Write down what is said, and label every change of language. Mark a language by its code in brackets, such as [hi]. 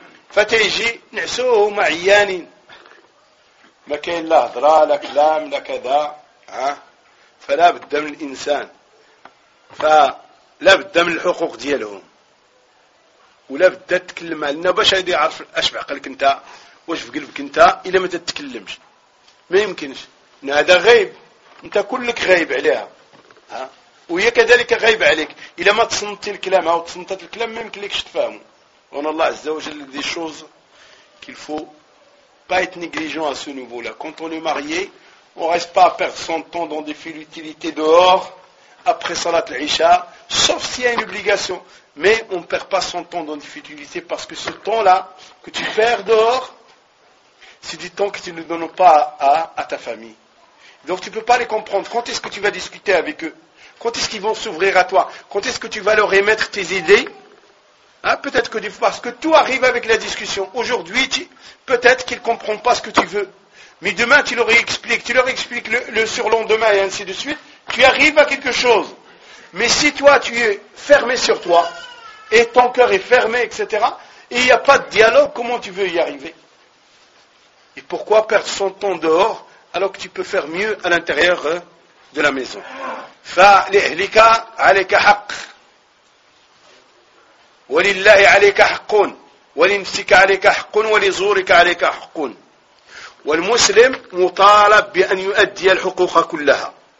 [ar] فتيجي نعسوه معيانين ما كاين لا هضره لا كلام لا كذا، فلا بد من الانسان، فلا بد من الحقوق ديالهم، ولا بد تتكلم لنا باش هادي يعرف اش بعقلك انت واش في قلبك انت الا ما تتكلمش ما يمكنش. هذا غيب، انت كلك غايب عليها، وهي كذلك غايب عليك الا ما تصنتي الكلام او تصنتت الكلام ما يمكنلكش تفهمه. وان الله عز وجل [fr] دي شوز كيلفو pas être négligent à ce niveau-là. Quand on est marié, on ne reste pas à perdre son temps dans des futilités dehors, après Salat al-Isha, sauf s'il y a une obligation. Mais on ne perd pas son temps dans des futilités parce que ce temps-là que tu perds dehors, c'est du temps que tu ne donnes pas à ta famille. Donc tu ne peux pas les comprendre. Quand est-ce que tu vas discuter avec eux? Quand est-ce qu'ils vont s'ouvrir à toi? Quand est-ce que tu vas leur émettre tes idées? Peut-être que parce que tout arrive avec la discussion. Aujourd'hui, peut-être qu'ils ne comprennent pas ce que tu veux. Mais demain, tu leur expliques le surlendemain et ainsi de suite. Tu arrives à quelque chose. Mais si toi, tu es fermé sur toi, et ton cœur est fermé, etc., et il n'y a pas de dialogue, comment tu veux y arriver? Et pourquoi perdre son temps dehors, alors que tu peux faire mieux à l'intérieur de la maison? [ar] فَلِهْلِكَ عَلَيْكَ حَقٍ ولله عليك حق ولنفسك عليك حق ولزورك عليك حق. والمسلم مطالب بأن يؤدي الحقوق كلها.